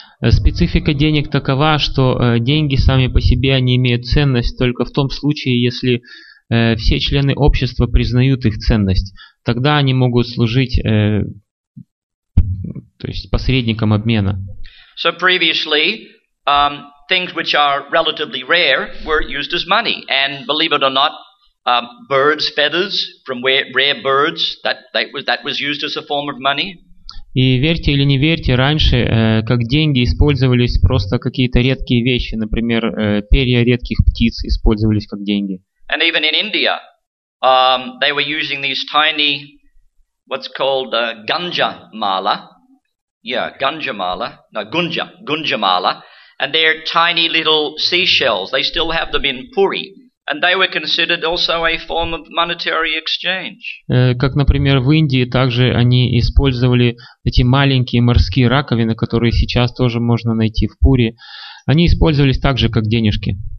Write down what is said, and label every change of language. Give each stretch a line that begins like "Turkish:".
Russian: Специфика денег такова, что деньги сами по себе они имеют ценность только в том случае, если все члены общества признают их ценность. Тогда они могут служить, то есть посредником обмена.
English: So previously, things which are relatively rare were used as money, and believe it or not. Birds' feathers from rare birds that was used as a form of money.
Russian: И верьте или не верьте, раньше как деньги использовались просто какие-то редкие вещи, например, перья редких птиц использовались как деньги.
English: And even in India, they were using these tiny, what's called ganja mala. Yeah, ganja mala. No, gunja mala. And they're tiny little seashells. They still have them in Puri. And they were considered also a form of monetary exchange.
Russian: Как, например, в Индии также они использовали эти маленькие морские раковины, которые сейчас тоже можно найти в Пури. Они использовались также как денежки.